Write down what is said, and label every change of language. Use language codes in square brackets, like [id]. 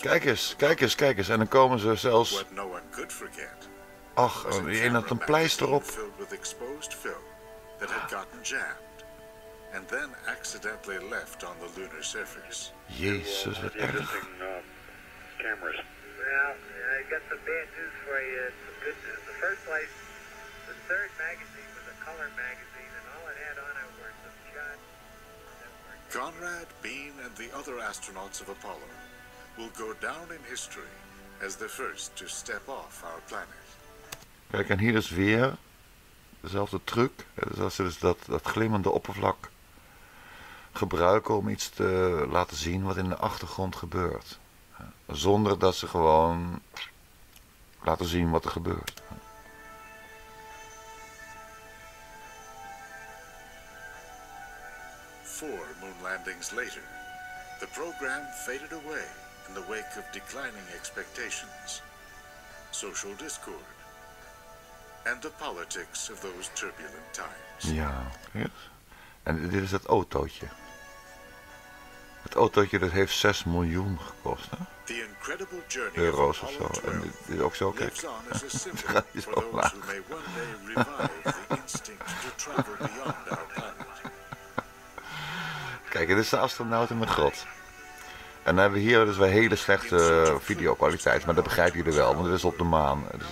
[nl] Kijk eens, kijk eens, kijk eens. En dan komen ze zelfs. [en] What no one could forget. [nl] Ach, die een had een pleister op. [en] With exposed film that had gotten jammed and then accidentally left on the lunar surface. [nl] Jezus, wat erg. [en] Cameras. Well, I got some bad news for you. Some good news. The first place, the third magazine was a color magazine, and all it had on it were some shots. Conrad, Bean, and the other astronauts of Apollo will go down in history as the first to step off our planet. [nl] Kijk, en hier is weer dezelfde truc. Dus als ze dus dat glimmende oppervlak gebruiken om iets te laten zien wat in de achtergrond gebeurt. Zonder dat ze gewoon laten zien wat er gebeurt. [en] Four moon landings later, the program faded away in the wake of declining expectations. Social discord. And the politics of those turbulent times. [nl] Ja, yes. En dit is het autootje. Het autootje dat heeft 6 miljoen gekost, hè? [en] The incredible journey [nl] euro's [en] of Apollo 12 [nl] en dit ook zo, kijk. [en] Lives on as a symbol for those who may one day revive the instinct to travel beyond our planet. [nl] Kijk, dit is de astronaut in de grot. En dan hebben we hier dus wel hele slechte videokwaliteit, maar dat begrijpen jullie wel, want dit is op de maan.